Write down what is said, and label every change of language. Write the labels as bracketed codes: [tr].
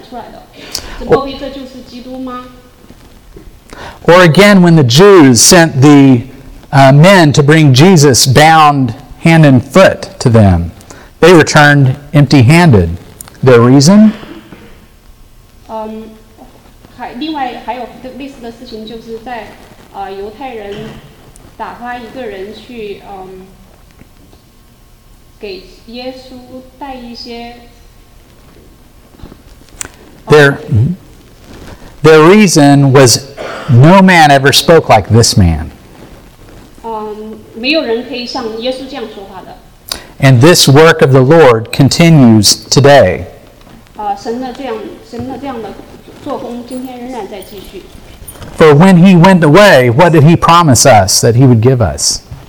[zh] 这个妇人对她的朋友们说，你们来看哪，有一个人，他把我素来所行所做的一切的事情都给我讲出来了。怎么会这就是基督吗？ [en] Or again, when the Jews sent the men to bring Jesus bound hand and foot to them, they returned empty-handed. Their reason? [zh] 另外还有类似的事情，就是在犹太人打发一个人去给耶稣带一些。 [en] Their reason was, no man ever spoke like this man. [zh] 没有人可以像耶稣这样说话的。 [en] And this work of the Lord continues today. [zh] 神的这样的做工今天仍然在继续。 [en] For when he went away, what did he promise us that he would give us?